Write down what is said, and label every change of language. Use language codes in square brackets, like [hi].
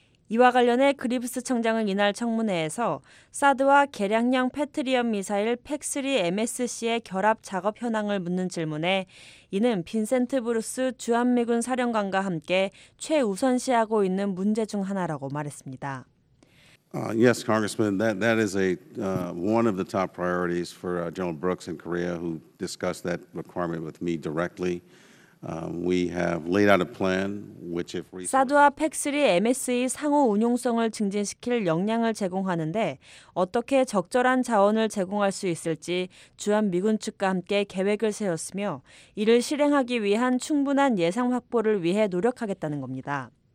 [ko] 이와 관련해 그리브스 청장은 이날 청문회에서 사드와 개량형 패트리엄 미사일 팩3 MSC의 결합 작업 현황을 묻는 질문에 이는 빈센트 브루스 주한미군 사령관과 함께 최우선시하고 있는 문제 중 하나라고 말했습니다. [en] Yes, Congressman, that is a one of the top priorities for General Brooks in Korea, who discussed that requirement with me directly. We have laid out a plan which if resources... [ko] 사드와 팩3 MSE 상호 운용성을 증진시킬 역량을 제공하는데 어떻게 적절한 자원을 제공할 수 있을지 주한미군 측과 함께 계획을 세웠으며 이를 실행하기 위한 충분한 예상 확보를 위해 노력하겠다는 겁니다.